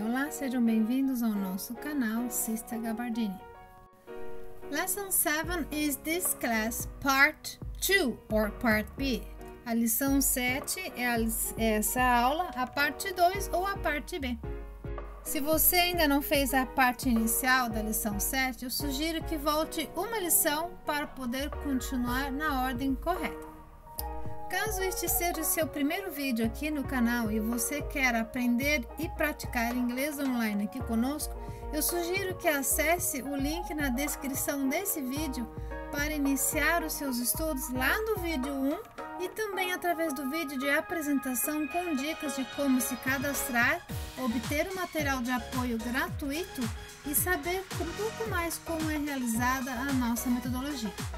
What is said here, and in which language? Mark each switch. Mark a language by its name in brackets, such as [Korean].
[Portuguese] Olá, sejam bem-vindos ao nosso canal, Sister Gabardini. [English] Lesson 7 is this class part 2 or part B. [Portuguese] A lição 7 é essa aula, a parte 2 ou a parte B. Se você ainda não fez a parte inicial da lição 7, eu sugiro que volte uma lição para poder continuar na ordem correta. Caso este seja o seu primeiro vídeo aqui no canal e você quer aprender e praticar inglês online aqui conosco, eu sugiro que acesse o link na descrição desse vídeo para iniciar os seus estudos lá no vídeo 1 e também através do vídeo de apresentação com dicas de como se cadastrar, obter o material de apoio gratuito e saber um pouco mais como é realizada a nossa metodologia.